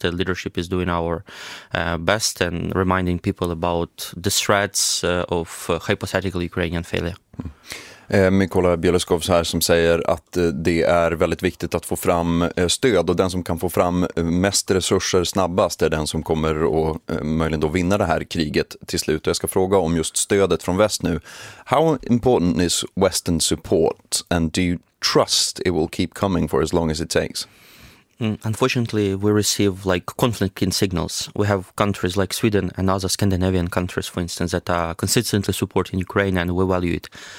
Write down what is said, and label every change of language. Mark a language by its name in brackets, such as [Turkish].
[English] The leadership is doing our best and reminding people about the threats of hypothetical Ukrainian failure. [Swedish] Mykola Bieloskovs här som säger att det är väldigt viktigt att få fram stöd, och den som kan få fram mest resurser snabbast är den som kommer att möjligen då vinna det här kriget till slut. Och jag ska fråga om just stödet från väst nu. [English] How important is Western support, and do you trust it will keep coming for as long as it takes? Unfortunately, we receive like conflicting signals. We have countries like Sweden and other Scandinavian countries, for instance, that are consistently supporting Ukraine, and we value it.